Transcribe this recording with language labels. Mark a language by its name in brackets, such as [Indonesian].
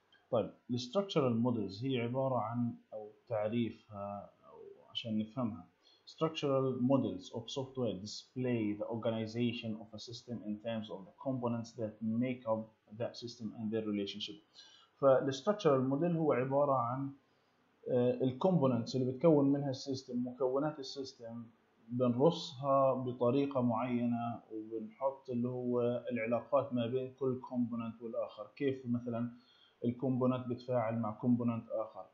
[Arabic] طيب Structural Models هي عبارة عن أو تعريفها أو عشان نفهمها. [English] Structural Models of Software display the organization of a system in terms of the components that make up that system and their relationship. [Arabic] فالستركتشرال موديل هو عباره عن الكومبوننتس اللي بتكون منها السيستم، مكونات السيستم بنرصها بطريقه معينه وبنحط اللي هو العلاقات ما بين كل كومبوننت والاخر، كيف مثلا الكومبوننت بتفاعل مع كومبوننت اخر.